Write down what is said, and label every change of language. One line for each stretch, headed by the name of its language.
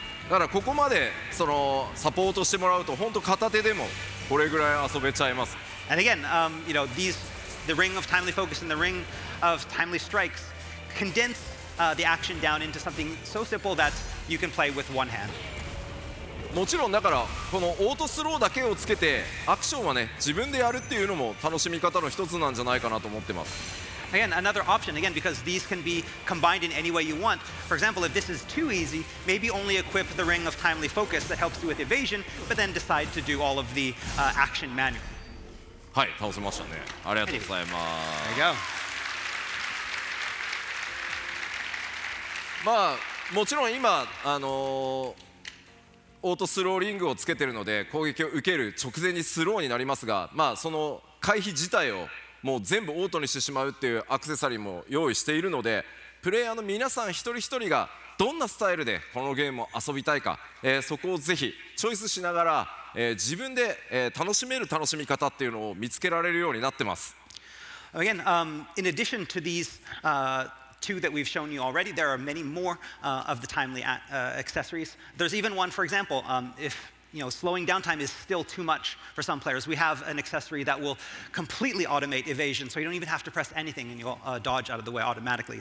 Japanese: だからここまでそのサポートしてもらうと本当片手でもこれぐらい遊べちゃいます。
English: And again, you know, these, the ring of timely focus and the ring of timely strikes condense, the action down into something so simple that you can play with one hand.
Japanese: もちろんだからこのオートスローだけをつけてアクションはね自分でやるっていうのも楽しみ方の一つなんじゃないかなと思ってます。
English: Again, another option, again, because these can be combined in any way you want. For example, if this is too easy, maybe only equip the Ring of Timely Focus that helps you with evasion, but then decide to do all of the, action manual.
Japanese: はい、倒せましたね。ありがとうございます。
English: There you go.
Japanese: まあ、もちろん今、オートスローリングをつけてるので、攻撃を受ける直前にスローになりますが、まあ、その回避自体をもう全部オートにしてしまうっていうアクセサリーも用意しているのでプレイヤーの皆さん一人一人がどんなスタイルでこのゲームを遊びたいか、そこをぜひチョイスしながら、自分で、楽しめる楽しみ方っていうのを見つけられるようになってます。
English: Again, in addition to these, two that we've shown you already, there are many more, of the timely, accessories. There's even one, for example, if slowing downtime is still too much for some players. We have an accessory that will completely automate evasion, so you don't even have to press anything and you'll dodge out of the way automatically.